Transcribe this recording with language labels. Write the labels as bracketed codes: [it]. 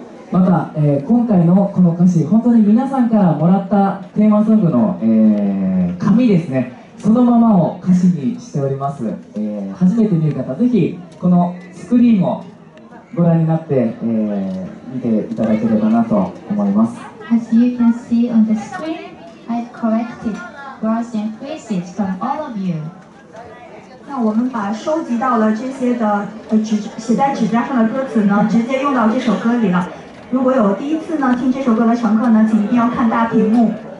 [ja] 本当に皆さんからもらったテーマソングの、紙ですね、そのままを歌詞にしております、初めて見る方ぜひこのスクリーンをご覧になって、見ていただければなと思います。 [en] As you can see on the screen, I've collected words and phrases from all of you. [zh] 那我们把收集到了这些的写在纸张上的歌词呢，直接用到这首歌里了。如果有第一次呢听这首歌的乘客呢，请一定要看大屏幕。